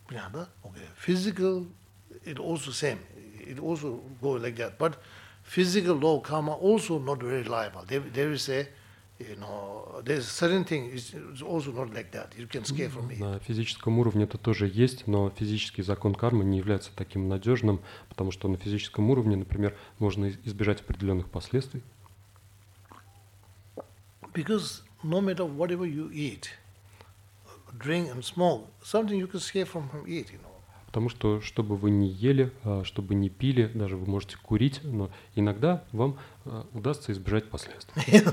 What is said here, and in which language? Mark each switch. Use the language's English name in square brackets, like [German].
[Russian] Понятно, да? [English] Okay. Physical, it also same. It also go like that. But physical law of karma also not very reliable. They will say, you know, there's certain thing is also not like that. You can scare from it. [Russian] На физическом уровне это тоже есть, но физический закон кармы не является таким надежным, потому что на физическом уровне, например, можно избежать определенных последствий. [English] Because no matter whatever you eat, drink and smoke, something you can escape from it, you know. [Russian] Потому что, чтобы вы не ели, чтобы не пили, даже вы можете курить, но иногда вам удастся избежать последствий.